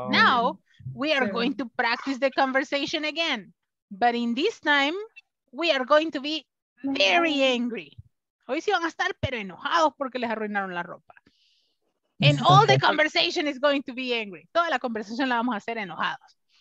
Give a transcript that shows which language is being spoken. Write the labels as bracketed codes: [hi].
[en] Now we are going to practice the conversation again. But in this time, we are going to be very angry. [es] Hoy sí van a estar, pero enojados porque les arruinaron la ropa. [en] And all the conversation is going to be angry. [es] Toda la conversación la vamos a hacer enojados.